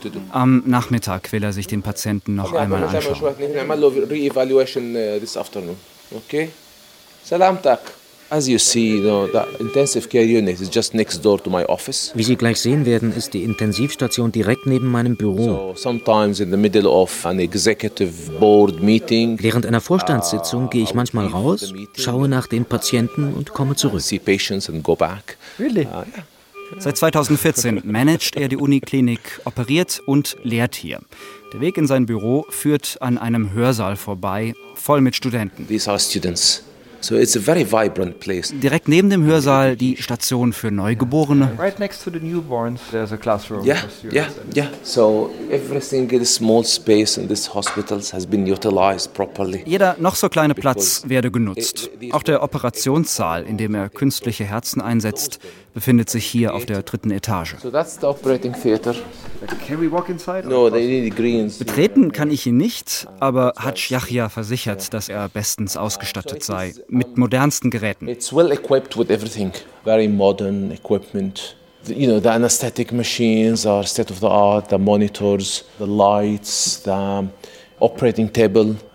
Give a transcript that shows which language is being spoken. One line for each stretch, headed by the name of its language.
German: Am Nachmittag will er sich den Patienten noch einmal anschauen.
English: Re-evaluation this afternoon. Okay? Salam tak. As you see, you know, the intensive care unit is just next door to my office.
German: Wie Sie gleich sehen werden, ist die Intensivstation direkt neben meinem Büro.
English: So sometimes in the middle of an executive board meeting.
German: Während einer Vorstandssitzung gehe ich manchmal raus, schaue nach den Patienten und komme zurück.
English: See patients and go back. Really?
German: Seit 2014 managt er die Uniklinik, operiert und lehrt hier. Der Weg in sein Büro führt an einem Hörsaal vorbei, voll mit Studenten.
English: These are students. So it's a very vibrant place.
German: Direkt neben dem Hörsaal die Station für Neugeborene.
English: Right next to the newborns, there's a classroom. Yeah, yeah, yeah. So every single small space in this hospital has been utilized properly.
German: Jeder noch so kleine Platz werde genutzt. Auch der Operationssaal, in dem er künstliche Herzen einsetzt, befindet sich hier auf der dritten Etage.
English: So that's the operating theater. Can we walk inside? No, they need greens.
German: Betreten kann ich ihn nicht, aber Hadj Yahya versichert, dass er bestens ausgestattet sei. Mit modernsten Geräten.
English: It's well equipped with everything. Very modern equipment. You know, the anesthetic machines are state of the art, the monitors, the lights, the operating table.